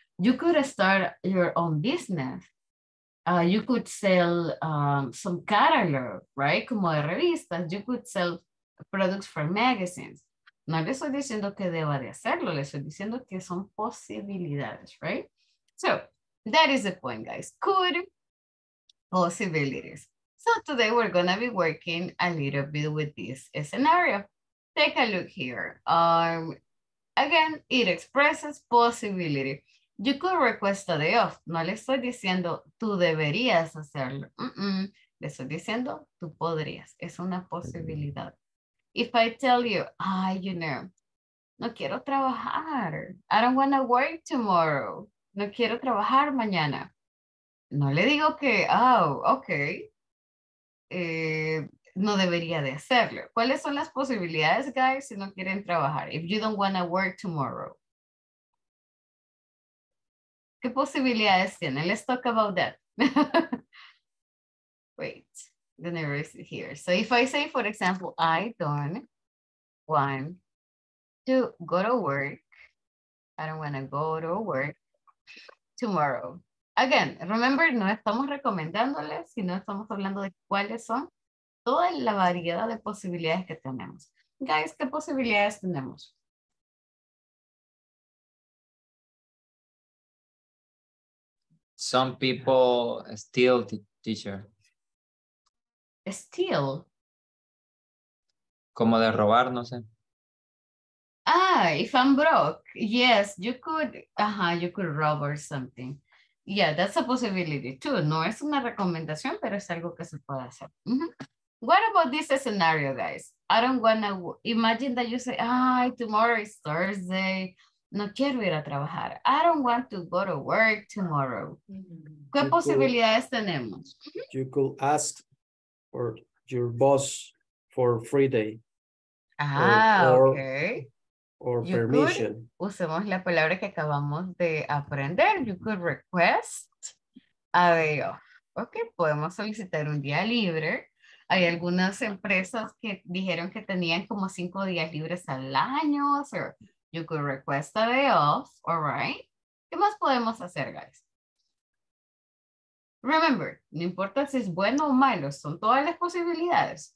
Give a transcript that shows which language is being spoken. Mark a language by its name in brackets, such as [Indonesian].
[English] You could start your own business. You could sell some catalog, right? [Spanish] Como de revistas. [English] You could sell products for magazines. [Spanish] No le estoy diciendo que deba de hacerlo, le estoy diciendo que son posibilidades, right? [English] So, that is the point, guys. Could, possibilities. So, today we're going to be working a little bit with this scenario. Take a look here. Again, it expresses possibility. You could request a day off. [Spanish] No le estoy diciendo tú deberías hacerlo. Mm-mm. Le estoy diciendo tú podrías. Es una posibilidad. [English] If I tell you, you know, [Spanish] No quiero trabajar. [English] I don't want to work tomorrow. [Spanish] No quiero trabajar mañana. No le digo que, oh, ok. No debería de hacerlo. ¿Cuáles son las posibilidades, guys, si no quieren trabajar? [English] If you don't want to work tomorrow. [Spanish] ¿Qué posibilidades tienen? [English] Let's talk about that. Wait, the number is here. So if I say, for example, I don't want to go to work. I don't want to go to work tomorrow. [Spanish] Again, remember, no estamos recomendándoles, sino estamos hablando de cuáles son toda la variedad de posibilidades que tenemos. Guys, ¿qué posibilidades tenemos? [English] Some people steal, teacher. Steal? [Spanish] Como de robar, no sé. [English] Ah, if I'm broke, yes, you could, you could rob or something. Yeah, that's a possibility too. [Spanish] No es una recomendación, pero es algo que se puede hacer. [English] Mm-hmm. What about this scenario, guys? I don't wanna, imagine that you say, ay, tomorrow is Thursday. [Spanish] No quiero ir a trabajar. [English] I don't want to go to work tomorrow. [Spanish] Mm-hmm. ¿Qué posibilidades tenemos? [English] You could ask for your boss for a free day. Okay. Or you permission. [Spanish] Could, usemos la palabra que acabamos de aprender. [English] You could request a day off. [Spanish] Okay, podemos solicitar un día libre. Hay algunas empresas que dijeron que tenían como 5 días libres al año. [English] So you could request a day off, all right? [Spanish] ¿Qué más podemos hacer, guys? Remember, no importa si es bueno o malo, son todas las posibilidades.